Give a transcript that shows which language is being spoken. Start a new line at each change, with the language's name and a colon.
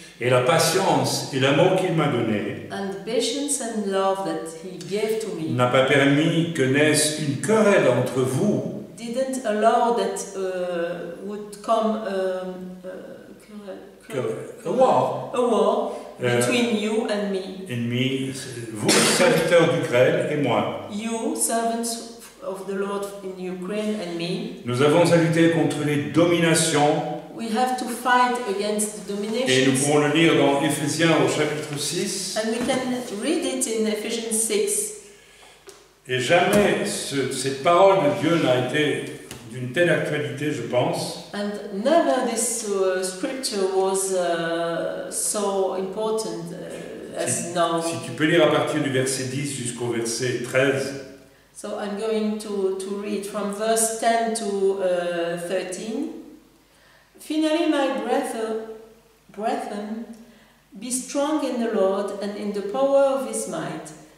French: Et la patience et l'amour qu'il m'a donné
English: and patience and love that he gave to me.
French: N'a pas permis que naisse une querelle entre vous
English: didn't allow that would come a war between you and me. And me,
French: vous serviteurs d'Ukraine et moi.
English: You servants of the Lord in Ukraine and me.
French: Nous avons à lutter contre les dominations.
English: We have to fight against the dominations.
French: Et nous pouvons le lire dans Éphésiens au chapitre 6.
English: And we can read it in Ephesians 6.
French: Et jamais cette parole de Dieu n'a été d'une telle actualité, je pense.
English: And never this scripture was so important as
French: si,
English: now.
French: Si tu peux lire à partir du verset 10 jusqu'au verset 13.
English: So I'm going to read from verse 10 to 13. Finally, my brethren, be strong in the Lord and in the power of his might.